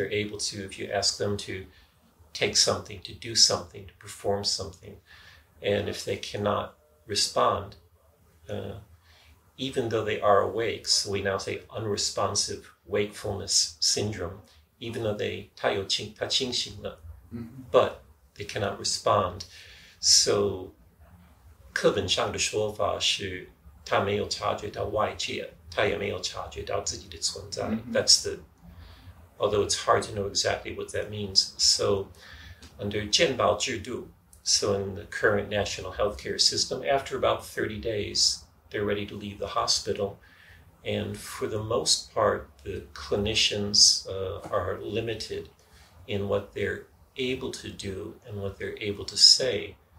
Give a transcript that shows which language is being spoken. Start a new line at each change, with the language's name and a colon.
English: if they're able to, if you ask them to take something, to do something, to perform something, and if they cannot respond, even though they are awake, so we now say unresponsive wakefulness syndrome, even though they
Chinese: 他清醒了,
English: mm-hmm. but they cannot respond.
Chinese: So, 课本上的说法是，他没有察觉到外界，他也没有察觉到自己的存在.
English: Mm-hmm. That's the, although it's hard to know exactly what that means. So, under 健保制度, so in the current national healthcare system, after about 30 days, they're ready to leave the hospital. And for the most part, the clinicians are limited in what they're able to do and what they're able to say.